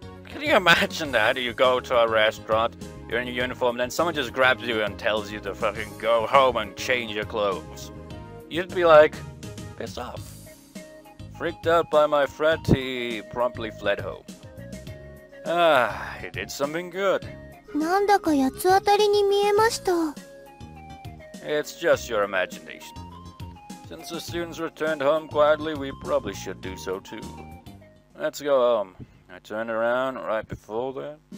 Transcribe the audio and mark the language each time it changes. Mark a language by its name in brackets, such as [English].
[English] Can you imagine that? You go to a restaurant, you're in your uniform, then someone just grabs you and tells you to fucking go home and change your clothes. You'd be like, piss off. Freaked out by my threat, he promptly fled home. He did something good. [Japanese] なんだか八つ当たりに見えました。 [English] It's just your imagination. Since the students returned home quietly, we probably should do so too. Let's go home. I turned around right before that.